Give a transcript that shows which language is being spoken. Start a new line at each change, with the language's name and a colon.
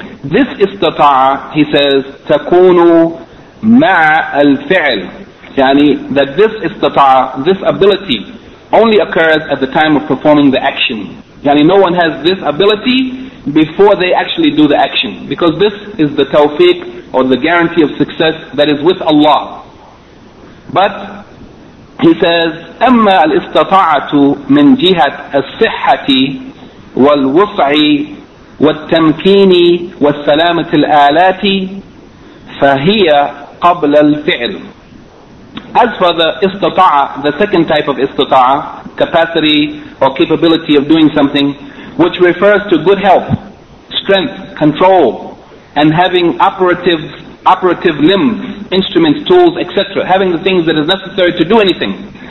English: This istata'a, he says,
Arabic: takunu ma'a al-fi'l.
English: Yani that this istata'a, this ability, only occurs at the time of performing the action. Yani no one has this ability before they actually do the action, because this is the tawfiq or the guarantee of success that is with Allah. But he says,
Arabic: أَمَّا الْإِسْتَطَاعَةُ مِنْ جِهَةِ الصِّحَّةِ وَالْوُصْعِ والتمكين والسلامة الآلات فهي قبل الفعل.
English: As for the istita'a, the second type of istita'a, capacity or capability of doing something, which refers to good health, strength, control, and having operative limbs, instruments, tools, etc., having the things that is necessary to do anything.